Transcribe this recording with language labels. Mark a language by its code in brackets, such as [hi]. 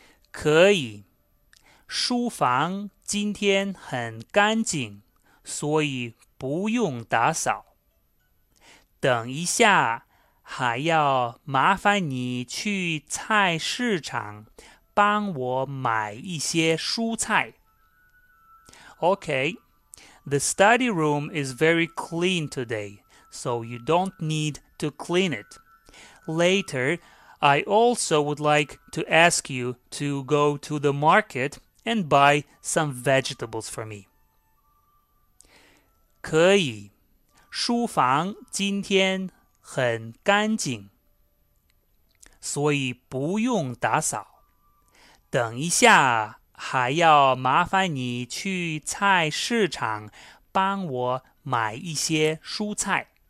[zh] 可以，书房今天很干净，所以不用打扫。等一下，还要麻烦你去菜市场帮我买一些蔬菜。 [en] Okay, the study room is very clean today, so you don't need to clean it. Later, I also would like to ask you to go to the market and buy some vegetables for me. [zh] 可以，书房今天很干净，所以不用打扫。等一下，还要麻烦你去菜市场帮我买一些蔬菜。